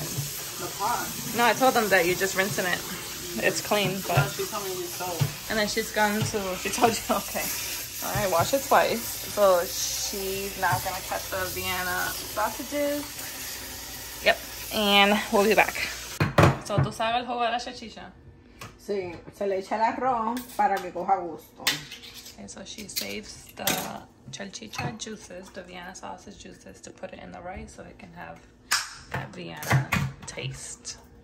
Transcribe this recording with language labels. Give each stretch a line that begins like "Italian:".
English: The pot. No, I told them that you're just rinsing it. It's clean, but no, she told me you soap. And then she's gone to she told you okay. Alright, wash it twice. So she's now gonna cut the Vienna sausages. Yep. And we'll be back.
Spanish: So tú sabes el jugo de la salchicha? Sí, se le echa el arroz para que coja gusto.
English: Okay, so she saves the chalchicha juices, the Vienna sausage juices, to put it in the rice so it can have that Vienna taste.